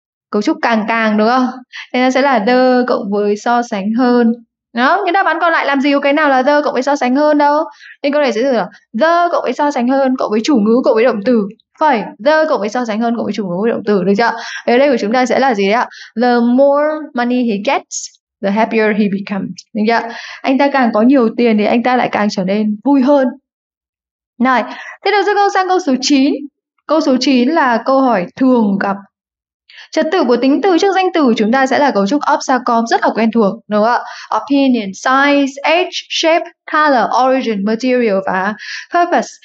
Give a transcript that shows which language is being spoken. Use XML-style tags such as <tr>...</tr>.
<vi>Cấu trúc càng càng đúng không? Nên nó sẽ là the cộng với so sánh hơn. Đó, những đáp án còn lại làm gì có cái nào là the cộng với so sánh hơn đâu. Nên câu này sẽ là the cộng với so sánh hơn, cộng với chủ ngữ, cộng với động từ. Phải, the cộng với so sánh hơn, cộng với chủ ngữ, cộng với động từ, được chưa? Ở đây của chúng ta sẽ là gì đấy ạ?</vi> <en>The more money he gets, the happier he becomes.</en> <vi>Được chưa? Anh ta càng có nhiều tiền thì anh ta lại càng trở nên vui hơn. Này, thế được rồi, câu sang câu số 9. Câu số 9 là câu hỏi thường gặp. Trật tự của tính từ trước danh từ chúng ta sẽ là cấu trúc obsacom rất là quen thuộc, đúng không ạ?</vi> <en>Opinion, size, age, shape, color, origin, material và purpose.</en>